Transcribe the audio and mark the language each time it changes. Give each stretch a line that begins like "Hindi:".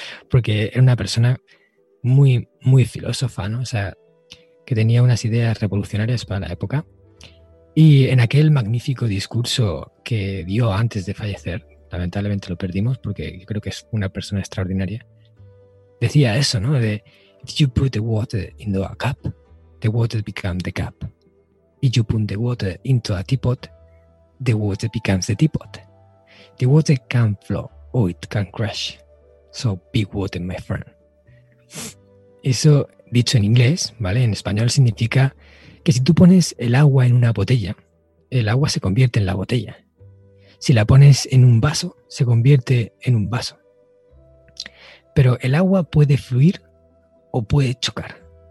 Spanish: Porque era una persona muy, muy filósofa, ¿no? O sea, que tenía unas ideas revolucionarias para la época. Y en aquel magnífico discurso que dio antes de fallecer, lamentablemente lo perdimos porque yo creo que es una persona extraordinaria, decía eso, ¿no?
English: De: if you put the water into a cup, the water becomes the cup. If you put the water into a teapot, the water becomes the teapot. The water can flow or it can crash. So be water, my friend.
Spanish: Eso dicho en inglés, ¿vale? En español significa que si tú pones el agua en una botella, el agua se convierte en la botella. Si la pones en un vaso, se convierte en un vaso. Pero el agua puede fluir o puede chocar.